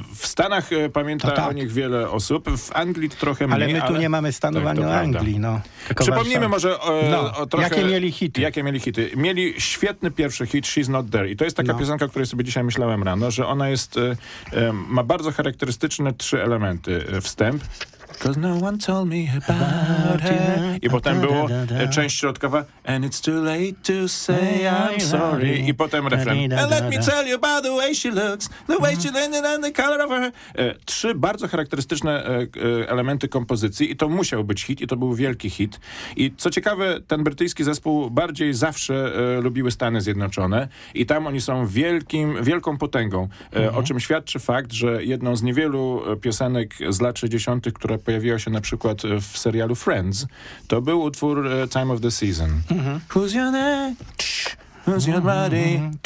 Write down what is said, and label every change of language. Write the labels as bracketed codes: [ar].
[pl] W Stanach pamięta o nich wiele osób, w Anglii trochę mniej. Ale my tu nie mamy stanów ani Anglii. No. Przypomnijmy może o trochę... Jakie mieli hity? Mieli świetny pierwszy hit, She's Not There. I to jest taka piosenka, o której sobie dzisiaj myślałem rano, że ona jest... ma bardzo charakterystyczne trzy elementy. Wstęp. [en] Cause no one told me about her. [pl] I potem było część środkowa. [en] And it's too late to say I'm sorry. [pl] I potem refren. [en] And let me tell you about the way she looks. The way she looks and the color of her. [pl] Trzy bardzo charakterystyczne elementy kompozycji. I to musiał być hit. I to był wielki hit. I co ciekawe, ten brytyjski zespół bardziej zawsze lubiły Stany Zjednoczone. I tam oni są wielką potęgą. O czym świadczy fakt, że jedną z niewielu piosenek z lat 60., które pojawiła się na przykład w serialu Friends, to był utwór Time of the Season. [en] Who's your name? Who's your body?